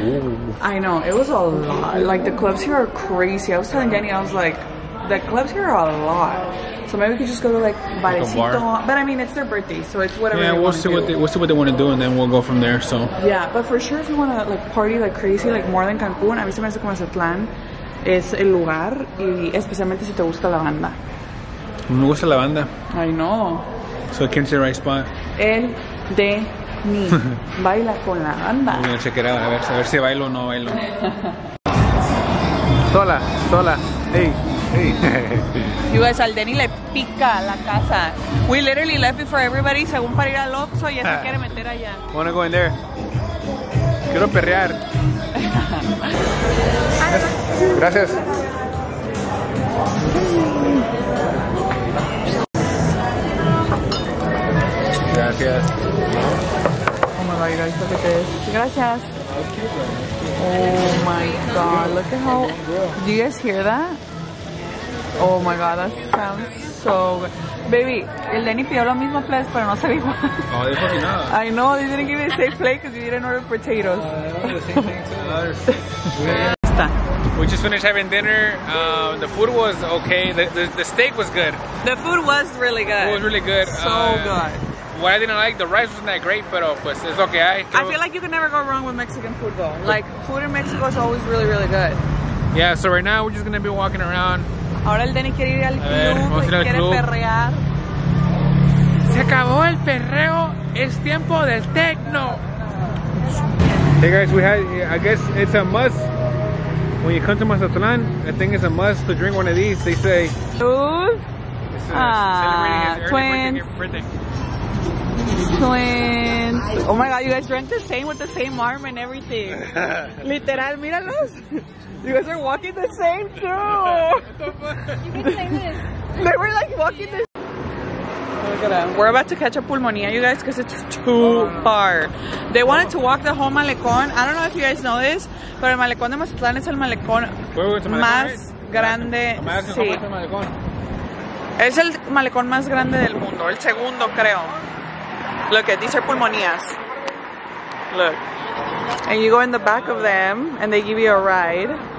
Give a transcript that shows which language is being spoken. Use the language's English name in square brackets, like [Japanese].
[English] Ooh. I know, it was a lot. Like, the clubs here are crazy. I was telling Danny, I was like, the clubs here are a lot. So maybe we could just go to like Barecito. But I mean, it's their birthday, so it's whatever. Yeah, we'll see what they want to do, and then we'll go from there, so. Yeah, but for sure, if you want to like party like crazy, like more than Cancun, [Spanish] a mí se me hace como Mazatlan. Es el lugar, y especialmente si te gusta la banda. Me gusta la banda. [English] I know. [Spanish] So, ¿quién es el [English] right spot? [Spanish] El de mí. Baila con la banda. Voy a checar a ver si bailo o no bailo. Sola. Hey. [English] You guys, [Spanish] al Deni le pica la casa. [English] We literally left before everybody, [Spanish] según para ir al Oxxo, y ya se quiere meter allá. [English] Wanna go in there. [Spanish] Quiero perrear. Gracias. Gracias. [English] Oh my god, you guys, look at this. [Spanish] Gracias. [English] Oh my god, look at how. Do you guys hear that? Oh my god, that sounds so good. [Spanish] Baby, el Deni pidió lo mismo, plus, pero no se dijo. [English] Oh, they're fucking nada. I know, they didn't give me the same plate because you didn't order potatoes. The same thing to ours. We just finished having dinner. The food was okay. The steak was good. The food was really good. It was really good. So good. What I didn't like, the rice wasn't that great, but it's okay. I feel like you can never go wrong with Mexican food, though. Like, food in Mexico is always really, really good. Yeah, so right now we're just going to be walking around. [Spanish] Ahora el Deni quiere ir al club, ver, quiere club. Perrear. Se acabó el perreo, es tiempo del techno. [English] Hey guys, I guess it's a must. When you come to Mazatlan, I think it's a must to drink one of these, they say. Twins. Oh my god, you guys drank the same with the same arm and everything. [Spanish] Literal, míralos. [English] You guys are walking the same too! You can say this. They were like walking the same. Look at them. We're about to catch a pulmonía, you guys, because it's too far. They wanted to walk the whole malecón. I don't know if you guys know this, but [Spanish] el malecón de Mazatlán es el malecón más grande. Sí. Es el malecón más grande del mundo, el segundo, creo. [English] Look at these are pulmonías. Look. And you go in the back of them and they give you a ride.